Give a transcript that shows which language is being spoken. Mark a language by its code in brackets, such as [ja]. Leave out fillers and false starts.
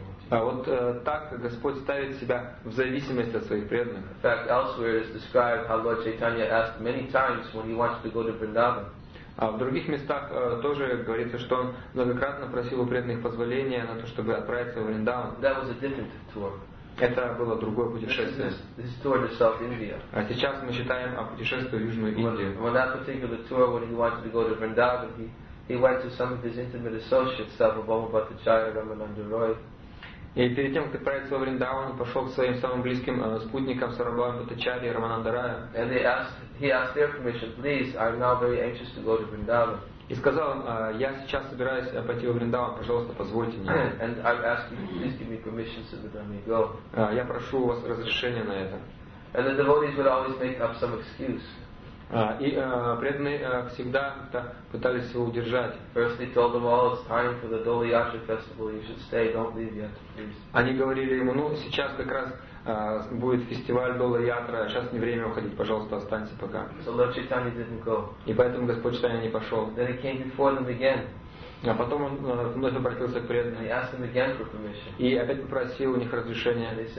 [ru] Вот так Господь ставит себя в зависимость от своих преданных. [en] In fact, elsewhere is described how Lord Chaitanya asked many times when he wanted to go to Vrindavan. [ru] В других местах тоже говорится, что он многократно просил у преданных позволения на то, чтобы отправиться в Вриндаван. [en] That was a different tour. [ru] Это было другое путешествие. [en] This tour to South India. [ru] А сейчас мы считаем о путешествии в Южную Индию. [en] On that particular tour, when he wanted to go to Vrindavan, he went to some of his intimate associates, Sarvabhauma Bhattacharya, Ramananda Roy. [ru] И перед тем, как отправиться во Вриндаван, он пошел к своим самым близким спутникам Сарвабхаума Бхаттачарье и Рамананда Рая. [en] And he asked their permission, please, I'm now very anxious to go to Vrindavan. [ru] И сказал им, я сейчас собираюсь пойти во Вриндаван, пожалуйста, позвольте мне. [en] And I'm asking you, please give me permission so that I may go. [ru] Я прошу у вас разрешения на это. [en] And the devotees would always make up some excuse. [ru] Преданные всегда пытались его удержать. [en] First they told him, well, it's time for the Doli Yatra festival, you should stay, don't leave yet, please. [ru] Они говорили ему, ну сейчас как раз будет фестиваль Доли Ятра, сейчас не время уходить, пожалуйста, останься пока. [en] So Lord Chaitanya didn't go. [ru] И поэтому Господь Чайтанья не пошел. [en] Then he came before them again. [ru] А потом он вновь обратился к преданным. И опять попросил у них разрешения.